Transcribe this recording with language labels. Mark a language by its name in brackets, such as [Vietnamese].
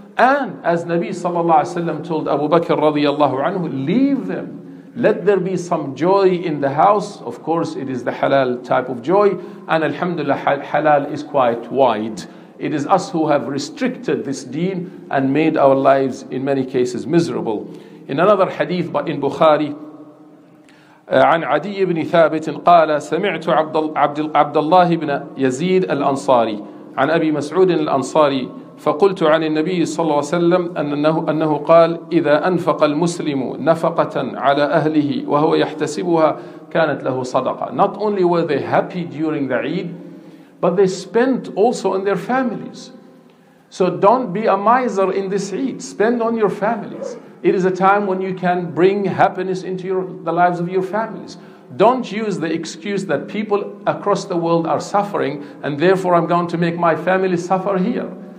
[English] And as Nabi sallallahu alaihi wasallam told Abu Bakr radiallahu anhu, leave them. Let there be some joy in the house. Of course, it is the halal type of joy. And alhamdulillah, halal is quite wide. It is us who have restricted this deen and made our lives in many cases miserable. In another hadith in Bukhari, [Arabic] عن عدي بن ثابت قال سمعت عبد الله بن يزيد الأنصاري عن أبي مسعود الأنصاري فقلت عن النبي صلى الله عليه وسلم أنه قال إذا أنفق المسلم نفقة على أهله وهو يحتسبها كانت له صدقة. [English] Not only were they happy during the Eid, but they spent also on their families. So don't be a miser in this Eid. Spend on your families. It is a time when you can bring happiness into the lives of your families. Don't use the excuse that people across the world are suffering and therefore I'm going to make my family suffer here.